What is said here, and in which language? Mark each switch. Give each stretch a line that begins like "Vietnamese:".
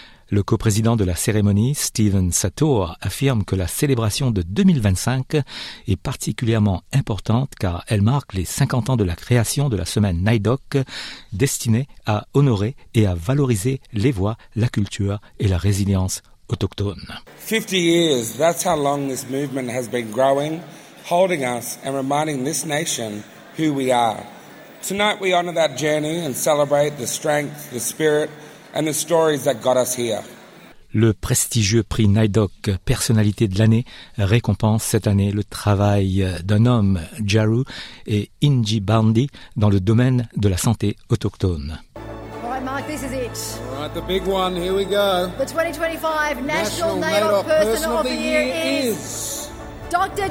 French: Le coprésident de la cérémonie, Stephen Sator, affirme que la célébration de 2025 est particulièrement importante car elle marque les 50 ans de la création de la semaine NAIDOC, destinée à honorer et à valoriser les voix, la culture et la résilience autochtone.
English: 50 years, that's how long this movement has been growing, holding us and reminding this nation who we are. Tonight we honor that journey and celebrate the strength, the spirit and the stories that got us here.
French: Le prestigieux prix NAIDOC Personnalité de l'année récompense cette année le travail d'un homme, Jaru et Inji Bandi, dans le domaine de la santé autochtone.
English: All right, Mark, this is it. All right, the big one, here we go. The 2025 National NAIDOC Person of the Year is Dr.